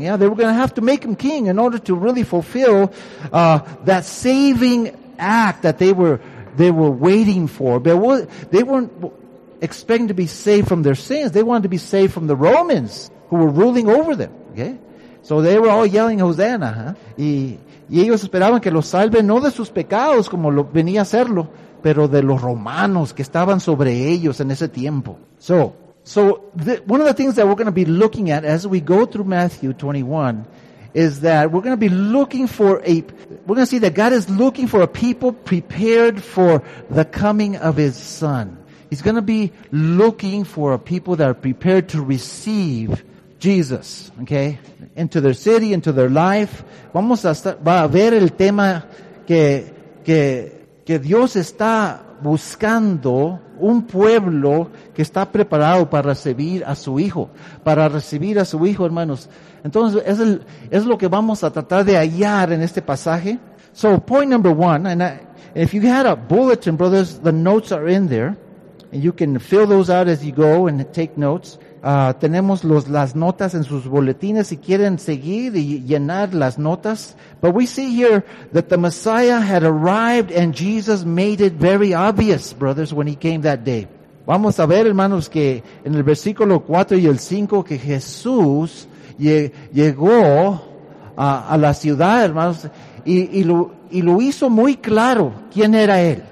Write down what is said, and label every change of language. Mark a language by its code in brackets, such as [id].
[en] Yeah, they were going to have to make him king in order to really fulfill that saving act that they were waiting for. But they weren't expecting to be saved from their sins. They wanted to be saved from the Romans who were ruling over them. Okay, so they were all yelling Hosanna. Huh? [es] Y ellos esperaban que los salven no de sus pecados como lo venía a hacerlo, pero de los romanos que estaban sobre ellos en ese tiempo. [en] So one of the things that we're going to be looking at as we go through Matthew 21 is that we're going to be looking for we're going to see that God is looking for a people prepared for the coming of his son. He's going to be looking for a people that are prepared to receive Jesus, okay? Into their city, into their life. [es] Vamos a estar, va a ver el tema que Dios está buscando un pueblo que está preparado para recibir a su hijo, hermanos. Entonces, es lo que vamos a tratar de hallar en este pasaje. [en] So, point number one, if you had a bulletin, brothers, the notes are in there, and you can fill those out as you go and take notes. [es] Tenemos las notas en sus boletines si quieren seguir y llenar las notas. [en] But we see here that the Messiah had arrived and Jesus made it very obvious, brothers, when he came that day. [es] Vamos a ver, hermanos, que en el versículo 4 y el 5 que Jesús llegó a la ciudad, hermanos, y lo hizo muy claro quién era él.